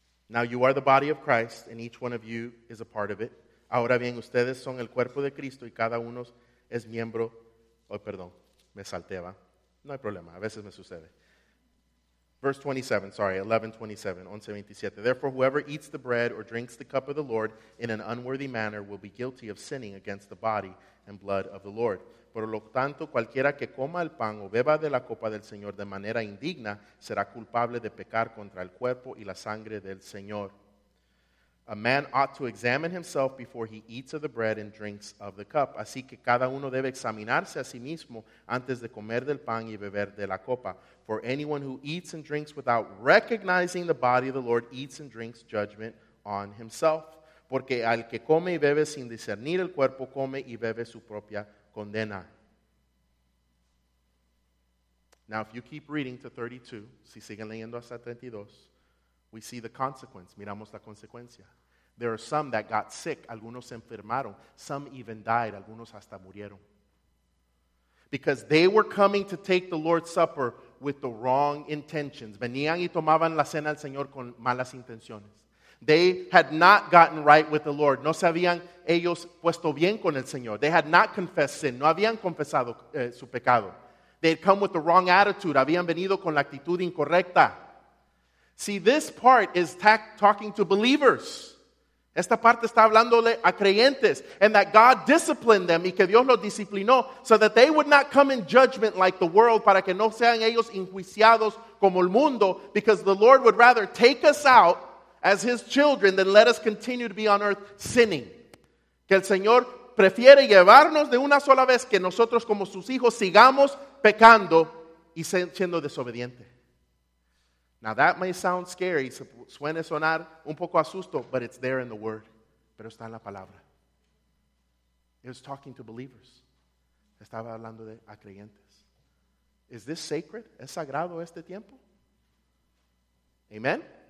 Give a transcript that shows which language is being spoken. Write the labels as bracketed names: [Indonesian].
[English] Now you are the body of Christ, and each one of you is a part of it. [Spanish] Ahora bien, ustedes son el cuerpo de Cristo, y cada uno es miembro. Oh, perdón, me salté, va. No hay problema, a veces me sucede. [English] Verse 11-27. Therefore, whoever eats the bread or drinks the cup of the Lord in an unworthy manner will be guilty of sinning against the body and blood of the Lord. [Spanish] Por lo tanto, cualquiera que coma el pan o beba de la copa del Señor de manera indigna será culpable de pecar contra el cuerpo y la sangre del Señor. [English] A man ought to examine himself before he eats of the bread and drinks of the cup. [Spanish] Así que cada uno debe examinarse a sí mismo antes de comer del pan y beber de la copa. [English] For anyone who eats and drinks without recognizing the body of the Lord eats and drinks judgment on himself. [Spanish] Porque al que come y bebe sin discernir el cuerpo, come y bebe su propia condena. [English] Now if you keep reading to 32, [Spanish] si siguen leyendo hasta 32, [English] we see the consequence. [Spanish] Miramos la consecuencia. [English] There are some that got sick. [Spanish] Algunos se enfermaron. [English] Some even died. [Spanish] Algunos hasta murieron. [English] Because they were coming to take the Lord's Supper with the wrong intentions. [Spanish] Venían y tomaban la cena del Señor con malas intenciones. [English] They had not gotten right with the Lord. [Spanish] No se habían ellos puesto bien con el Señor. [English] They had not confessed sin. [Spanish] No habían confesado su pecado. [English] They had come with the wrong attitude. [Spanish] Habían venido con la actitud incorrecta. [English] See, this part is talking to believers. [Spanish] Esta parte está hablándole a creyentes, [English] and that God disciplined them, [Spanish] y que Dios los disciplinó, [English] so that they would not come in judgment like the world, [Spanish] para que no sean ellos enjuiciados como el mundo, [English] because the Lord would rather take us out as his children than let us continue to be on earth sinning. [Spanish] Que el Señor prefiere llevarnos de una sola vez que nosotros como sus hijos sigamos pecando y siendo desobedientes. [English] Now that may sound scary, [Spanish] suene sonar un poco asusto, [English] but it's there in the word. [Spanish] Pero está en la palabra. [English] It was talking to believers. [Spanish] Estaba hablando de a creyentes. [English] Is this sacred? [Spanish] ¿Es sagrado este tiempo? Amen?